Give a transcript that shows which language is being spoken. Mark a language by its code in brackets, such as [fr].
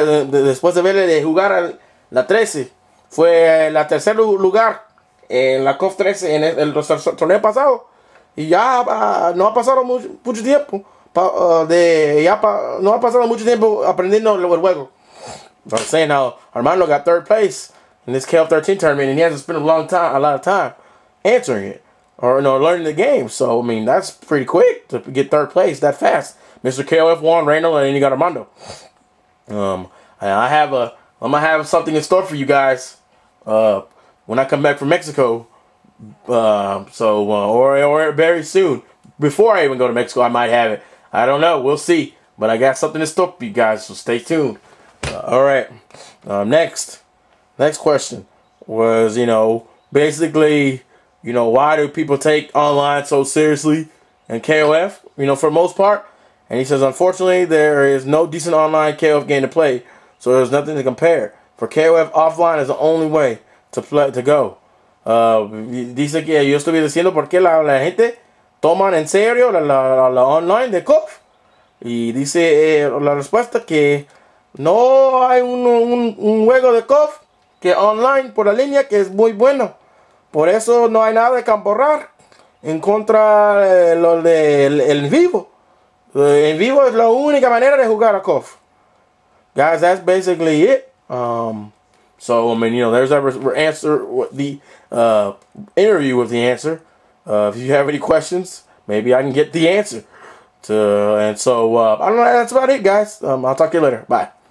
[es] Después de verle jugar a la 13. Fue la tercer lugar en la KOF 13 en el torneo pasado. Y ya no ha pasado mucho tiempo. No ha pasado mucho tiempo aprendiendo el juego. [en] So I'm saying now, Armando got third place in this KOF 13 tournament, and he hasn't spent a lot of time answering it or learning the game. So, I mean, that's pretty quick to get third place that fast. Mr. KOF won, Randall, and then you got Armando. I'm going to have something in store for you guys when I come back from Mexico. Or very soon. Before I even go to Mexico, I might have it. I don't know. We'll see. But I got something in store for you guys, so stay tuned. Alright, next question was, why do people take online so seriously in KOF, for the most part? And he says, unfortunately, there is no decent online KOF game to play, so there's nothing to compare. For KOF, offline is the only way to play, to go. [es] Dice que yo estoy diciendo por qué la gente toman en serio la online de KOF. Y dice la respuesta que... No hay un juego de KOF que online por la línea que es muy bueno. Por eso no hay nada de camporrar en contra de lo del el vivo. En vivo es la única manera de jugar a KOF. [en] Guys, that's basically it. There's our answer, the interview with the answer. If you have any questions, maybe I can get the answer. And so, I don't know, that's about it, guys. I'll talk to you later. Bye.